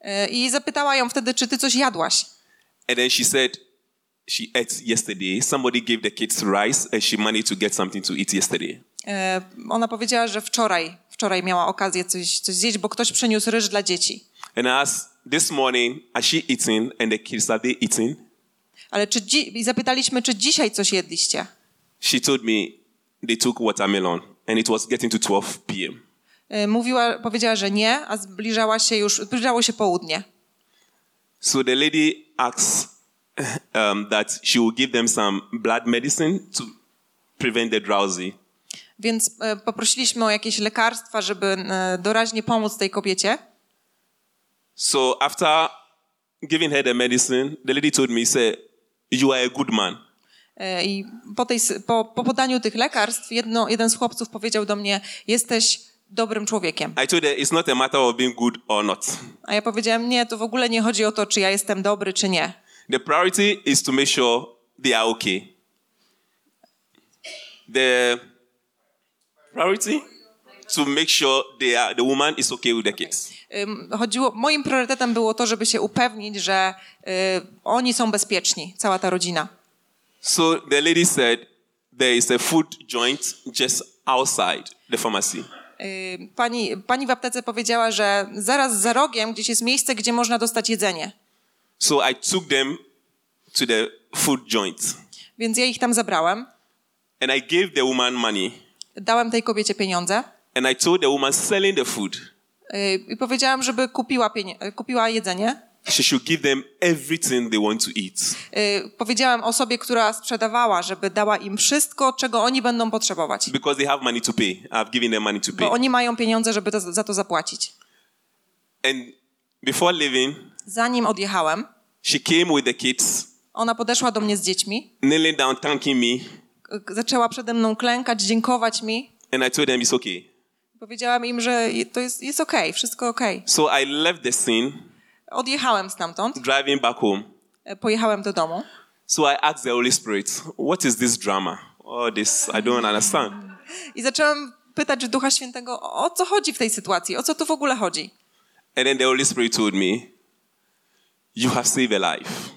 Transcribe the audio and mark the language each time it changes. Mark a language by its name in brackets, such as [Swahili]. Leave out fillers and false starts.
[Polish] I zapytała ją wtedy, czy ty coś jadłaś. [English] And then she said she ate yesterday. Somebody gave the kids rice and she managed to get something to eat yesterday. [Polish] Ona powiedziała, że wczoraj miała okazję coś zjeść, bo ktoś przyniósł ryż dla dzieci. [English] And I asked, this morning, are she eating and the kids, are they eating? [Polish] Ale i zapytaliśmy, czy dzisiaj coś jedliście? [English] She told me they took watermelon and it was getting to 12 p.m. [Polish] Powiedziała, że nie, a zbliżało się południe. [English] So the lady asks that she will give them some blood medicine to prevent the drowsy. [Polish] Więc poprosiliśmy o jakieś lekarstwa, żeby doraźnie pomóc tej kobiecie. [English] So after giving her the medicine, the lady told me, say, you are a good man. [Polish] I po podaniu tych lekarstw jeden z chłopców powiedział do mnie, jesteś dobrym człowiekiem. [English] I told her, it's not a matter of being good or not. [Polish] A ja powiedziałem, nie, to w ogóle nie chodzi o to, czy ja jestem dobry, czy nie. [English] The priority is to make sure they are okay. The priority to make sure the woman is okay with the kids. [Polish] Moim priorytetem było to, żeby się upewnić, że oni są bezpieczni, cała ta rodzina. [English] So the lady said, there is a food joint just outside the pharmacy. [Polish] Pani w aptece powiedziała, że zaraz za rogiem gdzieś jest miejsce, gdzie można dostać jedzenie. [English] So I took them to the food joint. [Polish] Więc ja ich tam zabrałem. [English] And I gave the woman money. [Polish] Dałem tej kobiecie pieniądze. [English] And I told the woman selling the food. [Polish] I powiedziałam, żeby kupiła jedzenie. [English] She should give them everything they want to eat. [Polish] Powiedziałam osobie, która sprzedawała, żeby dała im wszystko, czego oni będą potrzebować. [English] Because they have money to pay. I've given them money to pay. [Polish] Bo oni mają pieniądze, żeby za to zapłacić. [English] And before leaving, [Polish] zanim odjechałem, [English] she came with the kids. [Polish] Ona podeszła do mnie z dziećmi. [English] Kneeling down, thanking me. [Polish] Zaczęła przede mną klękać, dziękować mi. [English] And I told them it's okay. [Polish] Powiedziałam im, że to jest okay, wszystko okay. [English] So I left the scene. [Polish] Odjechałem stamtąd. [English] Driving back home. [Polish] Pojechałem do domu. [English] So I asked the Holy Spirit, what is this drama? Oh, this, I don't understand. [Polish] I zacząłem pytać Ducha Świętego, o co chodzi w tej sytuacji? O co tu w ogóle chodzi? [English] And then the Holy Spirit told me, you have saved a life.